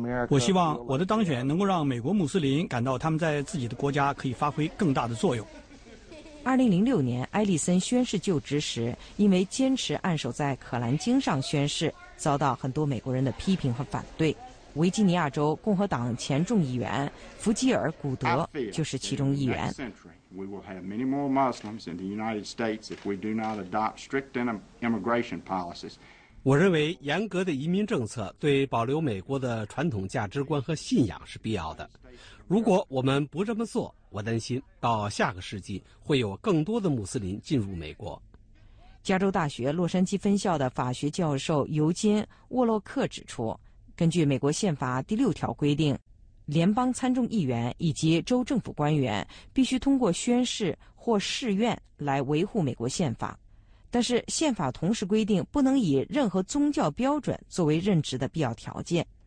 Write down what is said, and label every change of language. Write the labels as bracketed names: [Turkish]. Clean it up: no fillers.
[Chinese] 我希望我的当选能够让美国穆斯林感到他们在自己的国家可以发挥更大的作用。 2006年，埃利森宣誓就职时，因为坚持按守在《可兰经》上宣誓，遭到很多美国人的批评和反对。维吉尼亚州共和党前众议员弗吉尔·古德就是其中一员。 [English] We will have many more Muslims in the United States if we do not adopt strict immigration policies. [Chinese] 我认为严格的移民政策对保留美国的传统价值观和信仰是必要的。如果我们不这么做，我担心到下个世纪会有更多的穆斯林进入美国。加州大学洛杉矶分校的法学教授尤金·沃洛克指出，根据美国宪法第六条规定，联邦参众议员以及州政府官员必须通过宣誓或誓愿来维护美国宪法，但是宪法同时规定不能以任何宗教标准作为任职的必要条件。